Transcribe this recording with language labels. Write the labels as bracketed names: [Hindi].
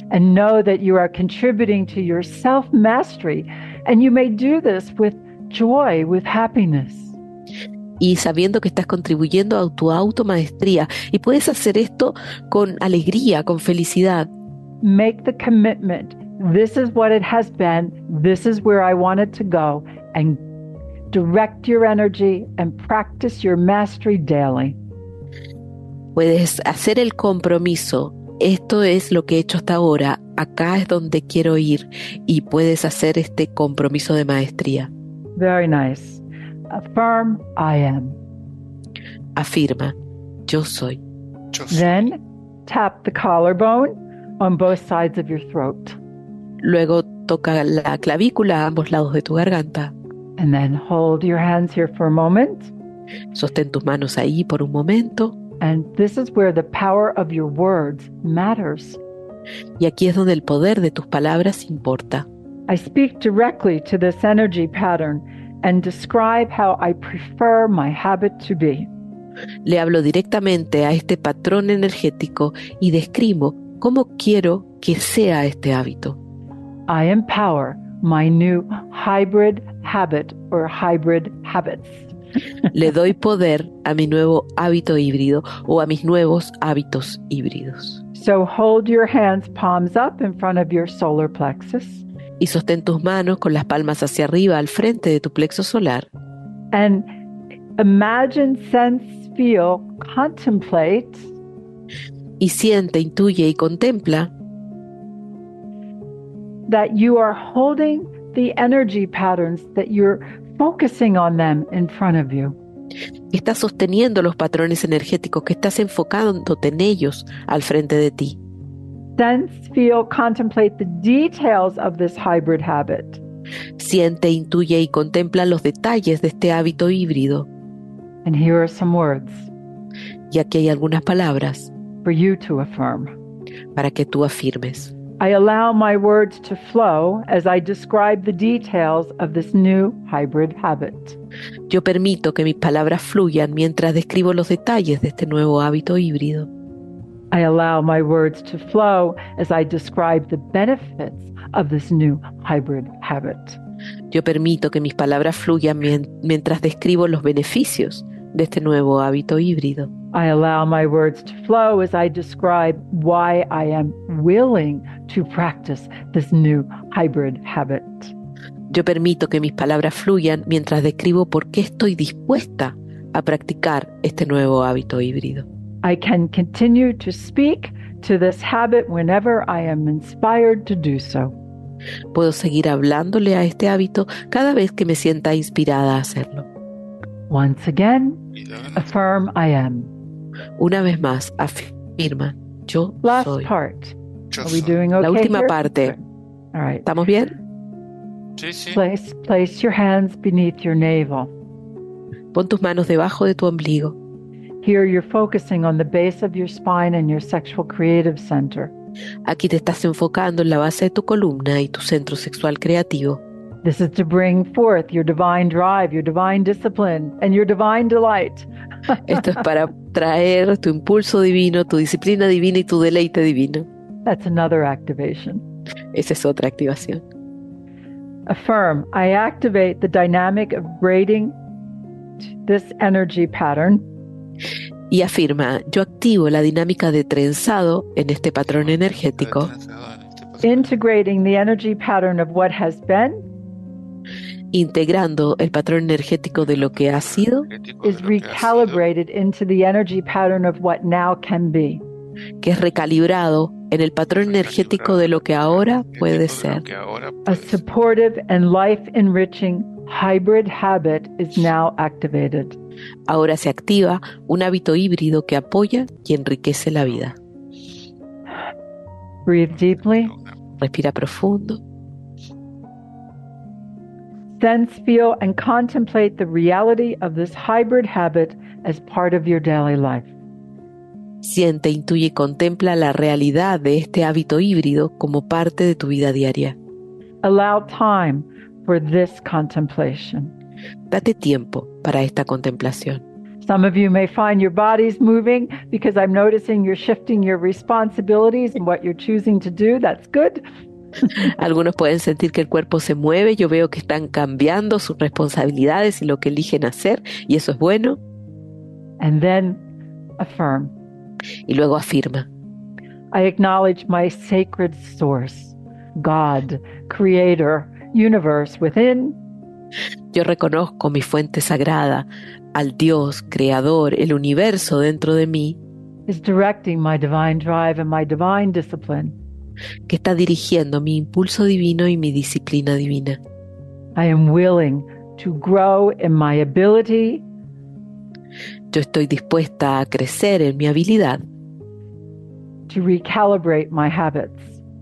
[English] And know that you are contributing to your self-mastery, and you may do this with joy, with happiness. [Spanish] Y sabiendo que estás contribuyendo a tu automaestría, y puedes hacer esto con alegría, con felicidad. [English] Make the commitment. This is what it has been. This is where I wanted to go. And direct your energy and practice your mastery daily. [Spanish] Puedes hacer el compromiso. Esto es lo que he hecho hasta ahora. Acá es donde quiero ir. Y puedes hacer este compromiso de maestría. [English] Very nice. Affirm, I am. [Spanish] Afirma, yo soy. [English] Then tap the collarbone on both sides of your throat. [Spanish] Luego toca la clavícula a ambos lados de tu garganta. [English] And then hold your hands here for a moment. [Spanish] Sostén tus manos ahí por un momento. [English] And this is where the power of your words matters. [Spanish] Y aquí es donde el poder de tus palabras importa. [English] I speak directly to this energy pattern and describe how I prefer my habit to be. [Spanish] Le hablo directamente a este patrón energético y describo cómo quiero que sea este hábito. [English] I empower my new hybrid habit or hybrid habits. [Spanish] Le doy poder a mi nuevo hábito híbrido o a mis nuevos hábitos híbridos. [English] So hold your hands palms up in front of your solar plexus. [Spanish] Y sostén tus manos con las palmas hacia arriba al frente de tu plexo solar. [English] And imagine, sense, feel, contemplate. [Spanish] Y siente, intuye y contempla. [English] That you are holding the energy patterns, that you're focusing on them in front of you. [Spanish] Estás sosteniendo los patrones energéticos, que estás enfocándote en ellos al frente de ti. [English] Sense, feel, contemplate the details of this hybrid habit. [Spanish] Siente, intuye y contempla los detalles de este hábito híbrido. [English] And here are some words. [Spanish] Y aquí hay algunas palabras. [English] For you to affirm. [Spanish] Para que tú afirmes. [English] I allow my words to flow as I describe the details of this new hybrid habit. [Spanish] Yo permito que mis palabras fluyan mientras describo los detalles de este nuevo hábito híbrido. [English] I allow my words to flow as I describe the benefits of this new hybrid habit. [Spanish] Yo permito que mis palabras fluyan mientras describo los beneficios de este nuevo hábito híbrido. [English] I allow my words to flow as I describe why I am willing to practice this new hybrid habit. [Spanish] Yo permito que mis palabras fluyan mientras describo por qué estoy dispuesta a practicar este nuevo hábito híbrido. [English] I can continue to speak to this habit whenever I am inspired to do so. [Spanish] Puedo seguir hablándole a este hábito cada vez que me sienta inspirada a hacerlo. [English] Once again, affirm I am. [Spanish] Una vez más, afirma, yo [English] last [Spanish] soy. [English] Part. Are we doing okay [Spanish] La última [English] here? [Spanish] Parte. [English] All right. [Spanish] ¿Estamos bien? Sí, sí. [English] Place your hands beneath your navel. [Spanish] Pon tus manos debajo de tu ombligo. [English] Here you're focusing on the base of your spine and your sexual creative center. [Spanish] Aquí te estás enfocando en la base de tu columna y tu centro sexual creativo. [English] This is to bring forth your divine drive, your divine discipline, and your divine delight. [Spanish] Esto es para traer tu impulso divino, tu disciplina divina y tu deleite divino. [English] That's another activation. [Spanish] Esa es otra activación. [English] Affirm, I activate the dynamic of braiding this energy pattern. [Spanish] Y afirma, yo activo la dinámica de trenzado en este patrón energético. [English] Integrating the energy pattern of what has been. [Spanish] Integrando el patrón energético de lo que ha sido, [English] is recalibrated into the energy pattern of what now can be. [Spanish] Que es recalibrado en el patrón energético de lo que ahora puede ser. [English] A supportive and life-enriching hybrid habit is now activated. [Spanish] Ahora se activa un hábito híbrido que apoya y enriquece la vida. [English] Breathe deeply. [Spanish] Respira profundo. [English] Sense, feel, and contemplate the reality of this hybrid habit as part of your daily life. [Spanish] Siente, intuye y contempla la realidad de este hábito híbrido como parte de tu vida diaria. [English] Allow time for this contemplation. [Spanish] Date tiempo para esta contemplación. [English] Some of you may find your bodies moving because I'm noticing you're shifting your responsibilities and what you're choosing to do. That's good. [Spanish] Algunos pueden sentir que el cuerpo se mueve. Yo veo que están cambiando sus responsabilidades y lo que eligen hacer, y eso es bueno. [English] And then affirm. [Spanish] Y luego afirma. [English] I acknowledge my sacred source, God, creator, universe within. [Spanish] Yo reconozco mi fuente sagrada, al Dios, creador, el universo dentro de mí. [English] Is directing my divine drive and my divine discipline. [Spanish] Que está dirigiendo mi impulso divino y mi disciplina divina. [English] I am willing to grow in my ability. [Spanish] Yo estoy dispuesta a crecer en mi habilidad. [English] To recalibrate my habits.